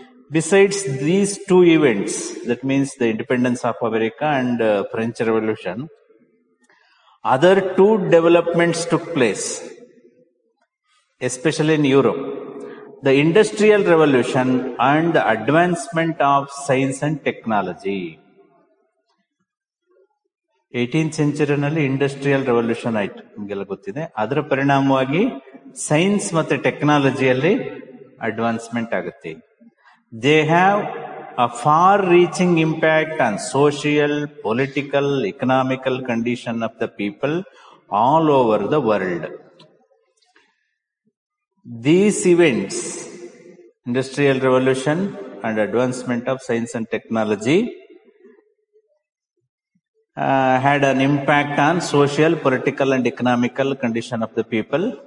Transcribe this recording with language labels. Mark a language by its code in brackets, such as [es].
[en] Besides these two events, that means the independence of America and French Revolution, other two developments took place, especially in Europe. The Industrial Revolution and the advancement of science and technology. [kn] 18th century ನಲ್ಲಿ industrial revolution ಆಯ್ತು, ನಿಮಗೆಲ್ಲ ಗೊತ್ತಿದೆ. ಅದರ ಪರಿಣಾಮವಾಗಿ science ಮತ್ತು ಟೆಕ್ನಾಲಜಿಯಲ್ಲಿ advancement ಆಗುತ್ತೆ. [en] They have a far reaching impact on social, political, economical condition of the people all over the world. These events, industrial revolution and advancement of science and technology, had an impact on social, political and economical condition of the people.